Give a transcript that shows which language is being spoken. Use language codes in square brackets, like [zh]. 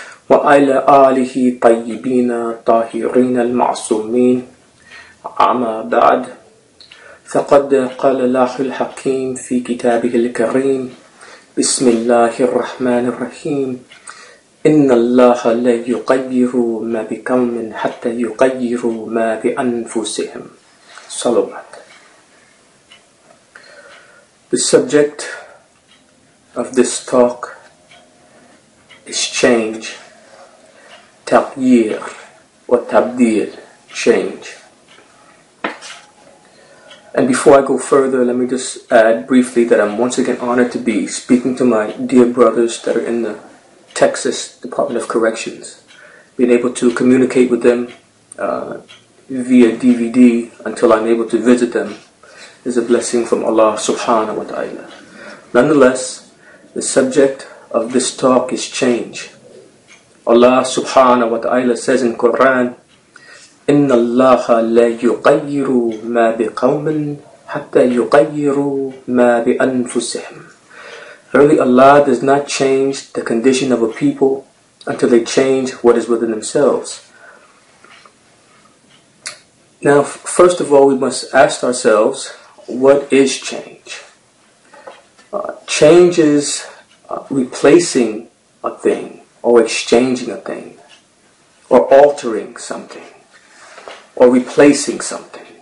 [ar] وعلى آله طيبين طاهرين المعصومين أما بعد فقد قال الله الحكيم في كتابه الكريم بسم الله الرحمن الرحيم إن الله لا يغير ما بقوم حتى يغيروا ما بأنفسهم صلوات. [en] The subject of this talk is change. Taqyir or tabdil, change. And before I go further, let me just add briefly that I'm once again honored to be speaking to my dear brothers that are in the Texas Department of Corrections. Being able to communicate with them via DVD until I'm able to visit them is a blessing from Allah subhanahu wa ta'ala. Nonetheless, the subject of this talk is change. Allah subhanahu wa ta'ala says in Quran, [ar] إِنَّ اللَّهَ لَيُقَيِّرُ مَا بِقَوْمٍ حَتَّى يُقَيِّرُ مَا بِأَنفُسِهِمْ. [en] Verily Allah does not change the condition of a people until they change what is within themselves. Now, first of all, we must ask ourselves, what is change? Change is replacing a thing, or exchanging a thing, or altering something, or replacing something.